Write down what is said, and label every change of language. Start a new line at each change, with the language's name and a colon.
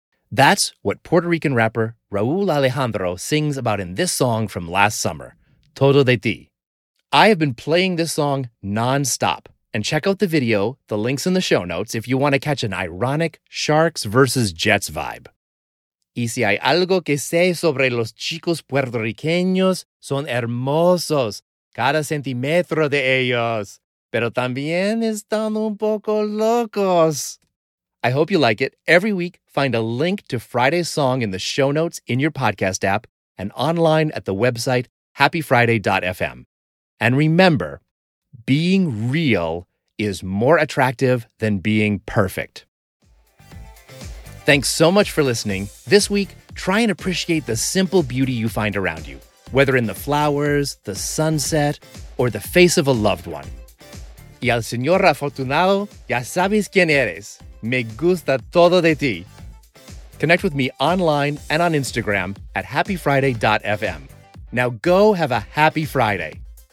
English: That's what Puerto Rican rapper Raul Alejandro sings about in this song from last summer, Todo de Ti. I have been playing this song nonstop, and check out the video, the link's in the show notes, if you want to catch an ironic Sharks versus Jets vibe.
Spanish: Y si hay algo que sé sobre los chicos puertorriqueños, son hermosos, cada centímetro de ellos, pero también están un poco locos.
English: I hope you like it. Every week, find a link to Friday's song in the show notes in your podcast app and online at the website happyfriday.fm. And remember, being real is more attractive than being perfect. Thanks so much for listening. This week, try and appreciate the simple beauty you find around you, whether in the flowers, the sunset, or the face of a loved one.
Spanish: Y al señor afortunado, ya sabes quién eres. Me gusta todo de ti.
English: Connect with me online and on Instagram at happyfriday.fm. Now go have a happy Friday.